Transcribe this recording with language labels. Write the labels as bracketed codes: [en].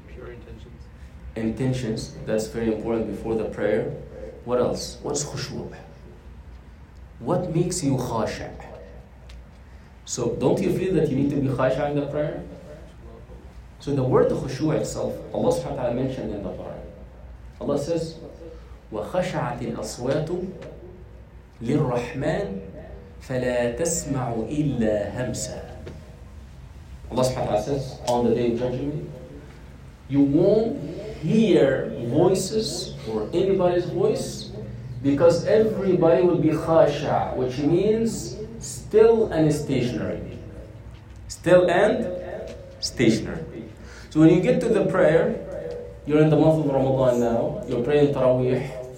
[en] Pure intentions. Intentions, that's very important before the prayer. What else? What is khushu'? What makes you khashu'? So don't you feel that you need to be khashu' in the prayer? So the word khushu' itself, Allah subhanahu wa ta'ala mentioned in the Quran. Allah says, [ar] وَخَشَعَتِ الْأَصْوَاتُ لِلرَّحْمَانِ فَلَا تَسْمَعُ إِلَّا هَمْسَا. [en] Allah subhanahu wa ta'ala says, on the Day of Judgment, you won't hear voices or anybody's voice because everybody will be khashu', which means still and stationary. Still and stationary. So when you get to the prayer, you're in the month of Ramadan now, you're praying Taraweeh.